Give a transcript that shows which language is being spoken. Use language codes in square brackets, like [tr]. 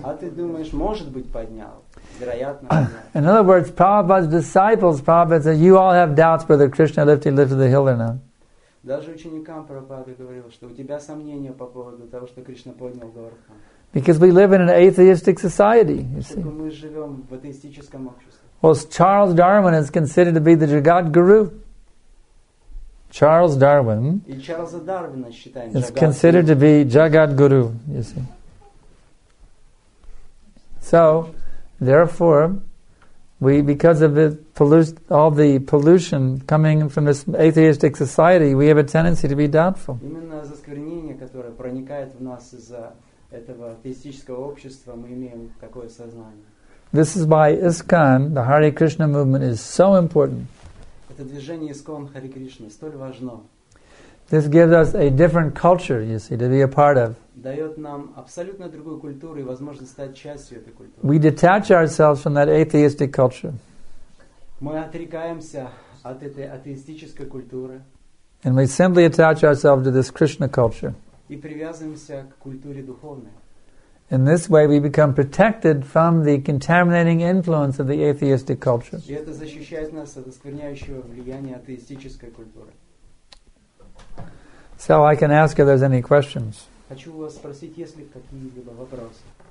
[ru] А ты думаешь, может быть, поднял? Вероятно. [en] In other words, Prabhupada's disciples, Prabhupada said, you all have doubts whether Krishna lifted the hill or not. [ru] Даже ученикам Прабхупады говорил, что у тебя сомнения по поводу того, что Кришна поднял Говардхан. [en] Because we live in an atheistic society, you see. [ru] Мы живем в атеистическом обществе. [en] Well, Charles Darwin is considered to be the Jagat Guru. Charles Darwin is considered to be Jagat Guru, you see. So, therefore, we, because of all the pollution coming from this atheistic society, we have a tendency to be doubtful. [ru] Именно из-за осквернения, которое проникает в нас из-за этого атеистического общества, мы имеем такое сознание. [en] This is why ISKCON, the Hare Krishna movement, is so important. [ru] Это движение ISKCON Hare Krishna столь важно. [en] This gives us a different culture, you see, to be a part of. [ru] Дает нам абсолютно другую культуру и возможность стать частью этой культуры. [en] We detach ourselves from that atheistic culture. [ru] Мы отрекаемся от этой атеистической культуры. [en] And we simply attach ourselves to this Krishna culture. [ru] И привязываемся к культуре духовной. [en] In this way, we become protected from the contaminating influence of the atheistic culture. [ru] И это защищает нас от оскверняющего влияния атеистической культуры. [en] So I can ask if there's any questions. [ru] Хочу вас спросить, есть ли какие-либо вопросы.